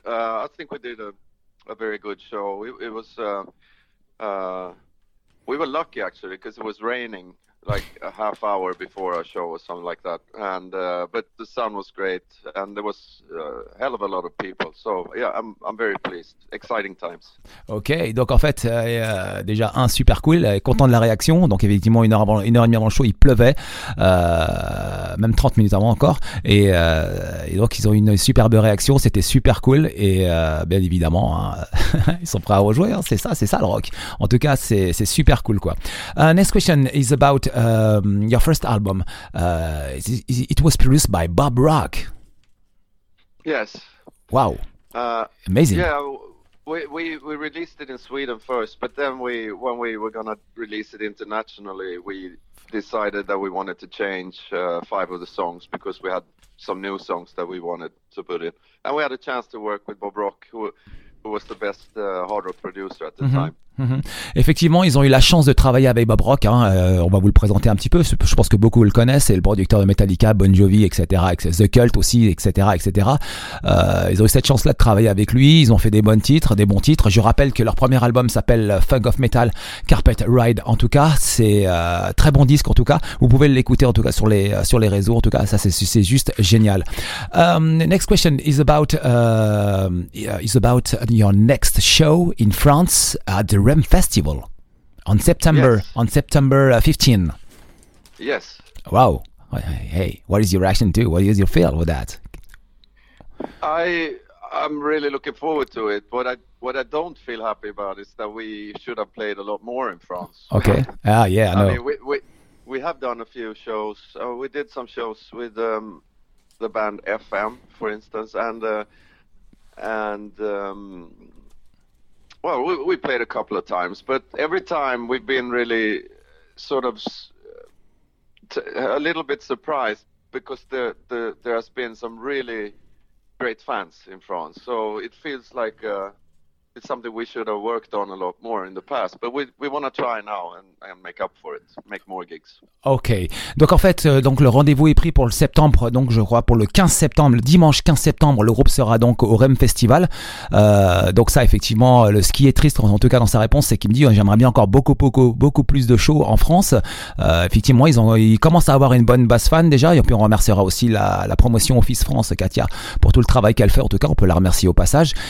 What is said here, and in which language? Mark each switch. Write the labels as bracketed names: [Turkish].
[English] I think we did a very good show. It was we were lucky, actually, because it was raining like a half hour before our show or something like that. And but the sun was great, and there was a hell of a lot of people. So yeah, I'm very pleased. Exciting times. [French] Ok, donc en fait déjà un super cool, content de la réaction. Donc effectivement une heure et demie avant le show, il pleuvait, même 30 minutes avant encore, et donc ils ont une superbe réaction. C'était super cool, et bien évidemment, hein, ils sont prêts à rejouer. Hein. C'est ça le rock. En tout cas, c'est super cool, quoi. [English] Next question is about your first album. It was produced by Bob Rock. Yes. Wow. Amazing. Yeah, we released it in Sweden first, but then when we were gonna release it internationally, we decided that we wanted to change five of the songs because we had some new songs that we wanted to put in, and we had a chance to work with Bob Rock, who was the best hard rock producer at the time. [French] Effectivement, ils ont eu la chance de travailler avec Bob Rock, hein. On va vous le présenter un petit peu. Je pense que beaucoup le connaissent. C'est le producteur de Metallica, Bon Jovi, etc., The Cult aussi, etc., etc. Ils ont eu cette chance-là de travailler avec lui. Ils ont fait des bons titres. Je rappelle que leur premier album s'appelle Funk of Metal Carpet Ride. En tout cas, c'est très bon disque. En tout cas, vous pouvez l'écouter. En tout cas, sur les réseaux. En tout cas, ça c'est juste génial. [English] Next question is about your next show in France at the REM Festival. On September, yes. On September 15. Yes. Wow. Hey, what is your reaction to? What is your feel with that? I'm really looking forward to it. What I don't feel happy about is that we should have played a lot more in France. Okay. Yeah, I know. I mean, we have done a few shows. We did some shows with the band FM, for instance, and we played a couple of times, but every time we've been really sort of a little bit surprised because there has been some really great fans in France. So it feels like it's something we should have worked on a lot more in the past, but we want to try now and make up for it, make more gigs. Okay. [French] Donc en fait, donc le rendez-vous est pris pour le septembre, donc je crois pour le 15 septembre, le dimanche 15 septembre, le groupe sera donc au REM Festival. Donc ça, effectivement, ce qui est triste, en tout cas dans sa réponse, c'est qu'il me dit j'aimerais bien encore beaucoup plus de shows en France. Effectivement, ils commencent à avoir une bonne base fan déjà, et puis on remerciera aussi la promotion Office France, Katia, pour tout le travail qu'elle fait, en tout cas, on peut la remercier au passage.